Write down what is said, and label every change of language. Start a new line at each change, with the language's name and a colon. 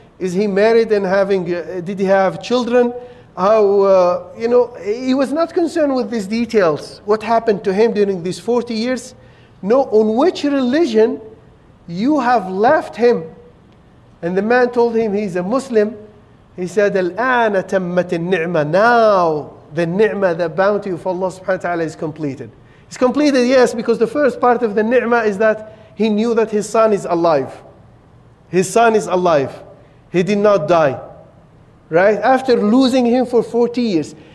English: Is he married and having, did he have children? He was not concerned with these details. What happened to him during these 40 years? No, on which religion you have left him? And the man told him he's a Muslim.
Arabic: He said, الآن تمت النعمة.
English: Now the ni'mah, the bounty of Allah subhanahu wa ta'ala is completed. It's completed, yes, because the first part of the ni'mah is that he knew that his son is alive. His son is alive. He did not die. Right? After losing him for 40 years.